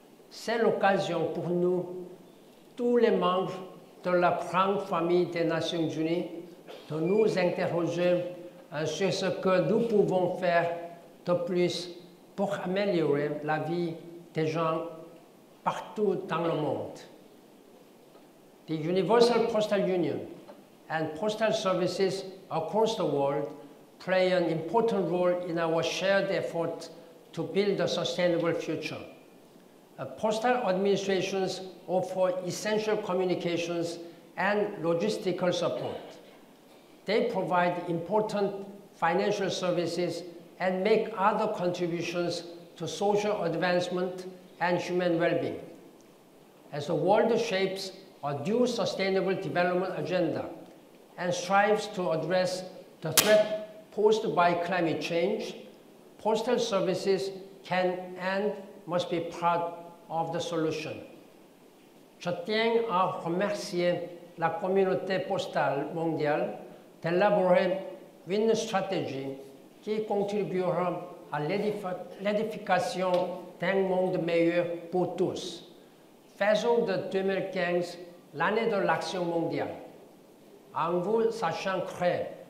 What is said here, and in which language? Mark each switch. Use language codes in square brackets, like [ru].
[fr] C'est l'occasion pour nous, tous les membres de la grande famille des Nations Unies, de nous interroger sur ce que nous pouvons faire de plus pour améliorer la vie des gens partout dans le monde. [en] The Universal Postal Union and postal services across the world play an important role in our shared effort to build a sustainable future. Postal administrations offer essential communications and logistical support. They provide important financial services and make other contributions to social advancement and human well-being. As the world shapes a new sustainable development agenda and strives to address the threat posed by climate change, postal services can and must be part of the solution. [fr] Je tiens à remercier la communauté postale mondiale d'élaborer une stratégie qui contribuera à l'édification d'un monde meilleur pour tous. Faisons de 2015 l'année de l'action mondiale, en vous sachant créer